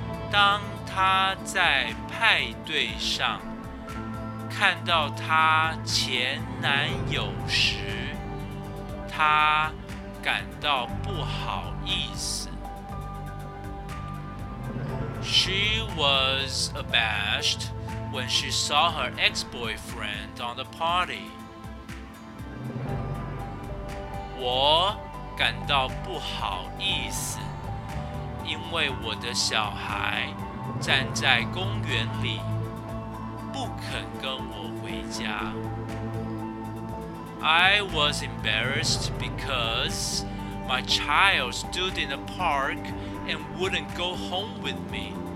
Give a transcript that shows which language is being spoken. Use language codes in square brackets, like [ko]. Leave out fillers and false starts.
[zh] 当他在派对上看到她前男友时，她感到不好意思。 [en] She was abashed when she saw her ex-boyfriend on the party. [zh] 我感到不好意思，因为我的小孩站在公园里不肯跟我回家。 [en] I was embarrassed because my child stood in the park and wouldn't go home with me.